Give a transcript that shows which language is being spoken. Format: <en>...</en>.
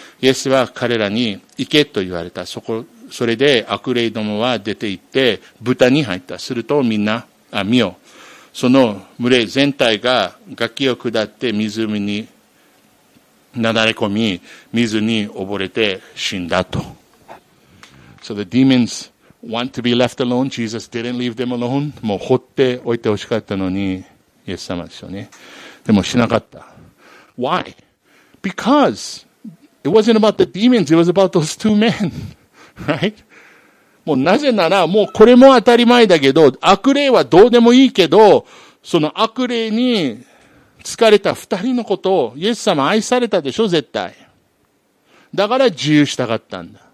<ja>イエスは彼らに行けと言われた。それで悪霊どもは出て行って豚に入った。するとみんな、あ、見よ。その群れ全体が崖を下って湖になだれ込み、水に溺れて死んだと。</ja> <en>So the demons want to be left alone. Jesus didn't leave them alone.</en> <ja>もう放っておいてほしかったのに、イエス様でしょうね。でもしなかった。</ja> <en>Why? Because,It wasn't about the demons, it was about those two men. Right?</en> <ja>もうなぜなら、もうこれも当たり前だけど、悪霊はどうでもいいけど、その悪霊に疲れた二人のことを、イエス様愛されたでしょ、絶対。だから自由したかったんだ。</ja>